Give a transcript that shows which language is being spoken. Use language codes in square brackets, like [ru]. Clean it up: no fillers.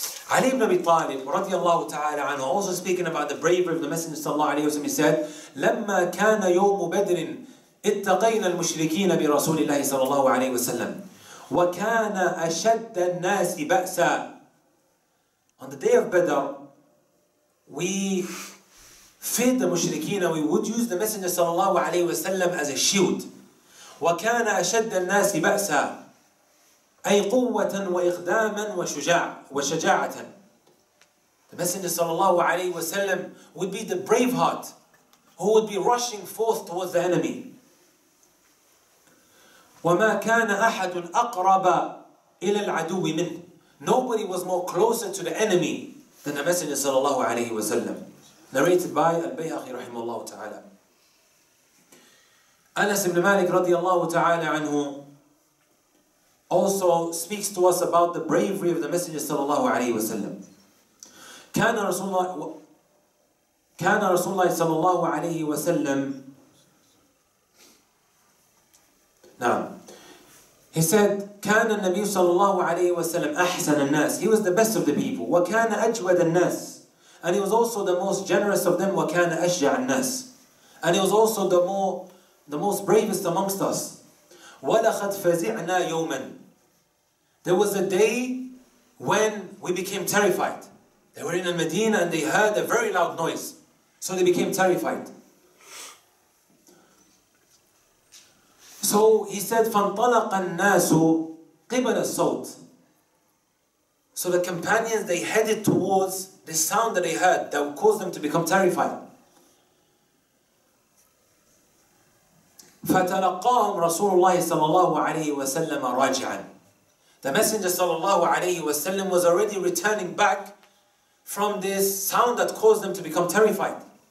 [en] Ali ibn Abi Talib radiyallahu ta'ala anhu, also speaking about the bravery of the Messenger sallallahu alayhi wa sallam, he said, [ar] لما كان يوم بدر اتقينا المشركين برسول الله صلى الله عليه وسلم وكان أشد الناس بأسا. [en] On the day of Badr, we feared the mushrikeen, we would use the Messenger sallallahu alayhi wa sallam as a shield. [ar] وكان أشد الناس بأسا أي قوة وإقداما وشجاعة. [en] The Messenger sallallahu alayhi wa sallam would be the brave heart who would be rushing forth towards the enemy. [ar] وما كان أحد أقرب إلى العدو منه. [en] Nobody was more closer to the enemy than the Messenger sallallahu alayhi wa sallam. Narrated by Al-Bayhaqi rahimahullah ta'ala. Anas ibn Malik radiyallahu ta'ala anhu also speaks to us about the bravery of the Messenger sallallahu alayhi wa sallam. [ar] Kana Rasulullah sallallahu alayhi wa sallam. [en] He said, [ar] كان النبي صلى الله عليه وسلم أحسن الناس. [en] He was the best of the people. [ar] وكان أجود الناس. [en] And he was also the most generous of them. [ar] وكان أشجع الناس. [en] And he was also the most bravest amongst us. [ar] ولقد فزعنا يوما. [en] There was a day when we became terrified. They were in Al-Madinah and they heard a very loud noise. So they became terrified. So he said, [ar] فَانْطَلَقَ النَّاسُ قِبَلَ الصَّوْتِ. [en] So the companions, they headed towards the sound that they heard that caused them to become terrified. [ar] فَتَلَقَّاهُمْ رَسُولُ اللَّهِ صَلَى اللَّهُ عَلَيْهِ وَسَلَّمَ رَاجِعًا. [en] The Messenger صلى الله عليه وسلم was already returning back from this sound that caused them to become terrified.